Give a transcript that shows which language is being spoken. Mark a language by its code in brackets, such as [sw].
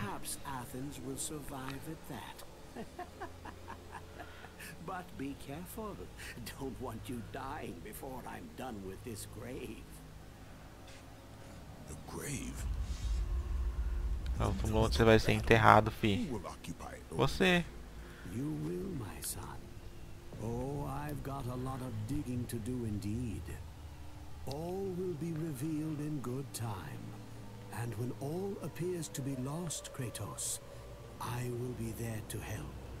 [en] Perhaps Athens will survive at that. But be careful. Don't want you dying before I'm done with this grave. The grave? [pt] O túmulo onde você vai ser enterrado, filho. Você. [en] You will, my son. Oh, I've got a lot of digging to do indeed. All will be revealed in good time. And when all appears to be lost, Kratos, I will be there to help.